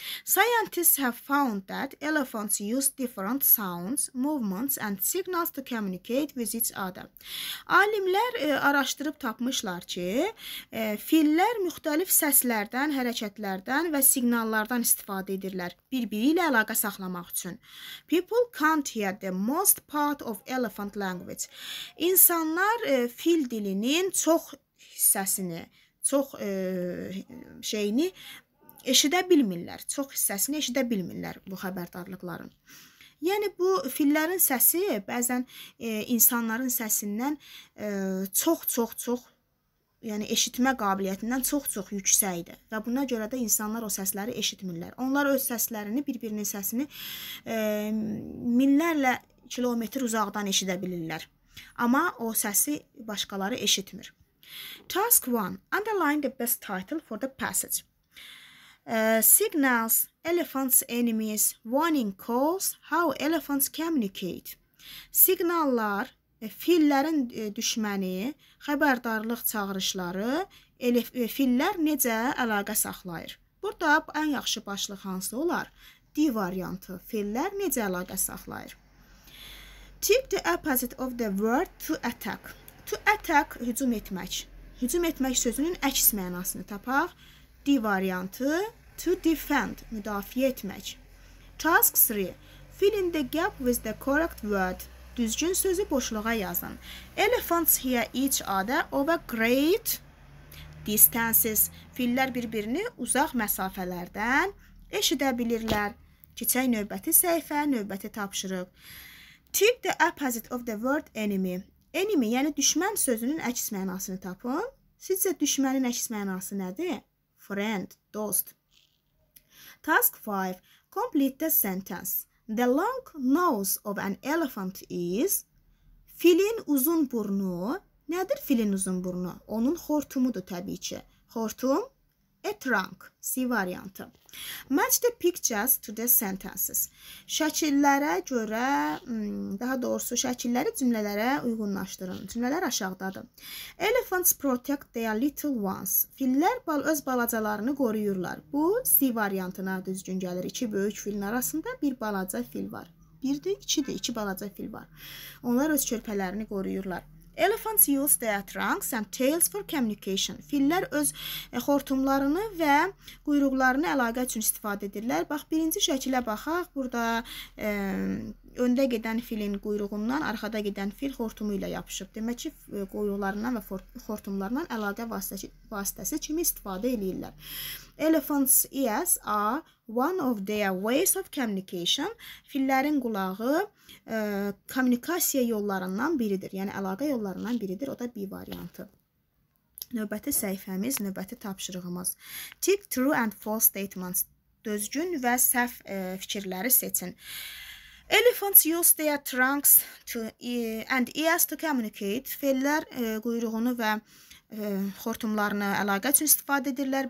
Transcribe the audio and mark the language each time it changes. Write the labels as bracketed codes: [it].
[en] Scientists have found that elephants use different sounds, movements and signals to communicate with each other. [az] Alimlər araşdırıb tapmışlar ki, fillər müxtəlif səslərdən, hərəkətlərdən və siqnallardan istifadə edirlər bir-biri ilə əlaqə saxlamaq üçün. [en] People can't hear the most part of elephant language. [az] İnsanlar fil dilinin çox hissəsini, çox şeyini eşidə bilmirlər. Çox hissəsini eşidə bilmirlər bu xəbərdarlıqların. Yəni, bu fillərin səsi bəzən insanların səsindən çox-çox-çox, yəni eşitmə qabiliyyətindən çox-çox yüksəkdir. Və buna görə də insanlar o səsləri eşitmirlər. Onlar öz səslərini, bir-birinin səsini minlərlə kilometr uzaqdan eşidə bilirlər. Amma o səsi başqaları eşitmir. [en] Task 1. Underline the best title for the passage. Signals, elephants, enemies, warning calls, how elephants communicate. [az] Signallar, fillərin düşməni, xəbərdarlıq çağırışları, fillər necə əlaqə saxlayır? Burada ən yaxşı başlıq hansı olar? D variantı, fillər necə əlaqə saxlayır? [en] Take the opposite of the word to attack. To attack, [az] hücum etmək. Hücum etmək sözünün əks mənasını tapaq. D variantı, [en] to defend, [az] müdafiə etmək. [en] Task 3. Fill in the gap with the correct word. [az] Düzgün sözü boşluğa yazın. [en] Elephants hear each other over great distances. [az] Fillər bir-birini uzaq məsafələrdən eşidə bilirlər. Keçək növbəti səhifə, növbəti tapşırıq. [en] Take the opposite of the word enemy. [az] Enemy, yəni düşmən sözünün əks mənasını tapın. Sizcə düşmənin əks mənası nədir? [en] Friend, [az] dost. [en] Task 5. Complete the sentence. The long nose of an elephant is... [az] Filin uzun burnu. Nədir filin uzun burnu? Onun xortumudur təbii ki. Xortum, [en] a trunk. [az] C variantı. [en] Match the pictures to the sentences. [az] Şəkillərə görə, daha doğrusu şəkilləri cümlələrə uyğunlaşdırın. Cümlələr aşağıdadır. [en] Elephants protect their little ones. [az] Fillər öz balacalarını qoruyurlar. Bu C variantına düzgün gəlir. İki böyük filin arasında bir balaca fil var. Birdir, ikidir. İki balaca fil var. Onlar öz körpələrini qoruyurlar. [en] Elephants use their trunks and tails for communication. [az] Fillər öz xortumlarını və quyruqlarını əlaqə üçün istifadə edirlər. Bax, birinci şəkilə baxaq. Burada öndə gedən filin quyruğundan, arxada gedən fil xortumu ilə yapışıb. Demək ki, quyruqlarından və xortumlarından əlaqə vasitəsi kimi istifadə edirlər. [en] Elephants ears are one of their ways of communication. [az] Fillərin qulağı kommunikasiya yollarından biridir. Yəni, əlaqə yollarından biridir. O da B variantı. Növbəti səhifəmiz, növbəti tapşırığımız. [en] Tick true and false statements. [az] Düzgün və səhv fikirləri seçin. [en] Elephants use their trunks to and ears to communicate. [az] Fillər quyruğunu və xortumlarını əlaqə üçün istifadə edirlər.